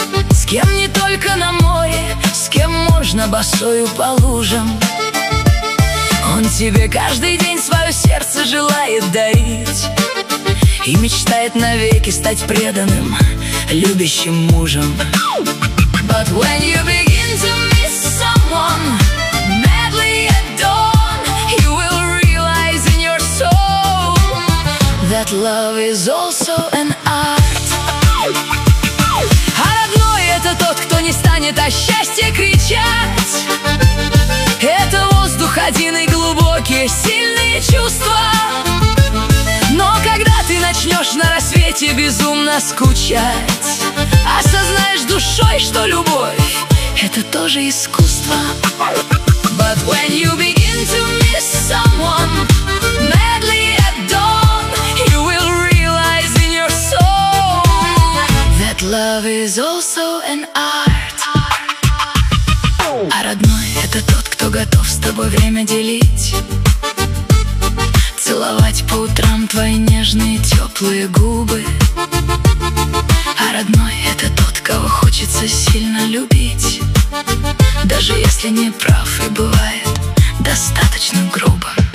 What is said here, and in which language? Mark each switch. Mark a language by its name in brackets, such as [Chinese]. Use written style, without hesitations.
[Russian] С кем не только на море, с кем можно босою по лужам. Он тебе каждый день свое сердце желает дарить и мечтает навеки стать преданным, любящим мужем. [English] But when you begin to miss someone madly at dawn, you will realize in your soul that love is also an art. [Russian] А родной — это тот, кто не станет о счастье кричать. Это воздух один и глубокие, сильные чувства. Но когда ты начнешь на рассвете безумно скучать, осознаешь душой, что любовь — это тоже искусство. [English] But when you begin to miss someone madly at dawn, you will realize in your soul that love is also an art. [Russian] А родной — это тот, кто готов с тобой время делить, целовать по утрам твои нежные теплые губы. А родной — это тот, кого хочется сильно любить, даже если не прав и бывает достаточно грубо.